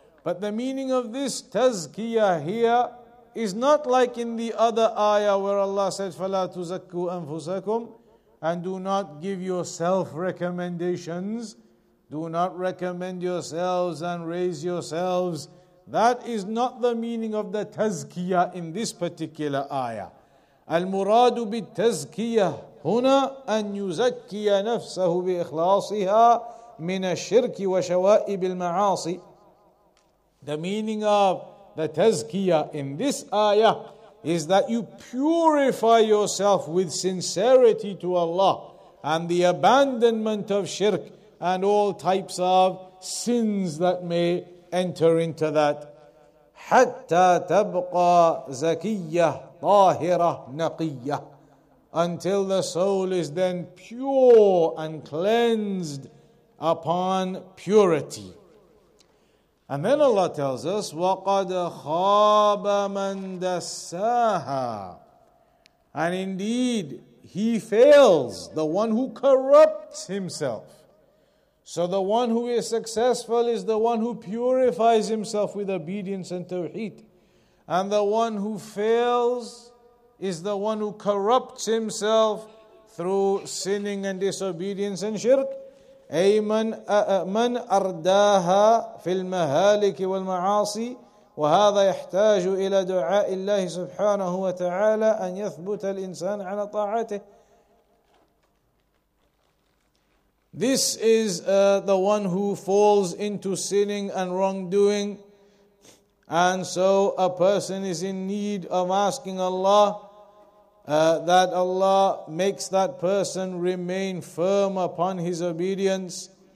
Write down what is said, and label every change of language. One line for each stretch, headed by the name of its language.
English: But the meaning of this tazkiyah here is not like in the other ayah where Allah said,
Arabic: فَلَا تُزَكُّوا أَنفُسَكُمْ,
English: and do not give yourself recommendations, do not recommend yourselves and raise yourselves. That is not the meaning of the tazkiyah in this particular ayah.
Arabic: المراد بالتزكية هنا أن يزكي نفسه بإخلاصها من الشرك وشوائب المعاصي.
English: The meaning of the tazkiyah in this ayah is that you purify yourself with sincerity to Allah and the abandonment of shirk and all types of sins that may enter into that.
Arabic: حتى تبقى زكية طاهرة نقية.
English: Until the soul is then pure and cleansed upon purity. And then Allah tells us,
Arabic: وَقَدْ خَابَ مَنْ دَسَّاهَا.
English: And indeed, he fails, the one who corrupts himself. So the one who is successful is the one who purifies himself with obedience and tawheed. And the one who fails is the one who corrupts himself through sinning and disobedience and shirk.
Arabic: أي من أرداها في المهالك والمعاصي وهذا يحتاج إلى دعاء الله سبحانه وتعالى أن يثبت الإنسان على طاعته.
English: This is the one who falls into sinning and wrongdoing, and so a person is in need of asking Allah that Allah makes that person remain firm upon his obedience.